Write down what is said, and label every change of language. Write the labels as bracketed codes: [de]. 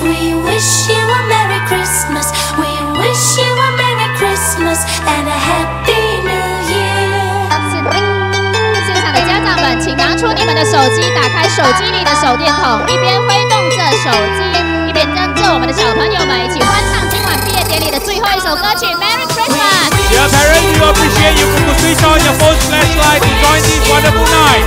[en] We wish you a Merry Christmas and a Happy New Year. [zh] 现场的家长们，请拿出你们的手机，打开手机里的手电筒，一边挥动着手机，一边跟着我们的小朋友们一起欢唱今晚毕业典礼的最后一首歌曲 Merry Christmas。 [en] Dear parents, we appreciate you from the switch on your phone flashlight to join this wonderful night.